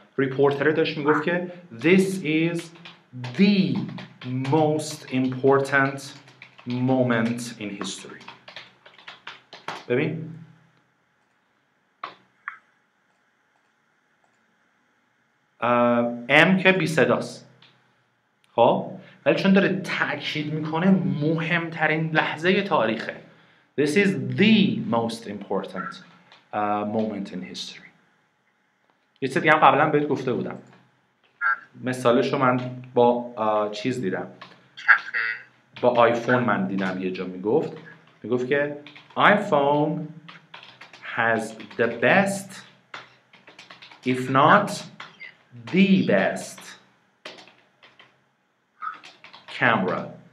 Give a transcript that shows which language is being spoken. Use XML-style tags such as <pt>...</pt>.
<fa>ریپورتره داشت میگفت که</fa> <en>this is the most important moment in history.</en> <fa>ببین ام که بی صداست، خب ولی چون داره تأکید میکنه مهمترین لحظه تاریخه.</fa> <en>This is the most important moment in history.</en> <fa>یه چیز دیگه هم قبلا بهت گفته بودم، مثالشو من با چیز دیدم، با آیفون من دیدم. یه جا میگفت، میگفت که</fa> <en>iPhone has the best if not the best camera.</en>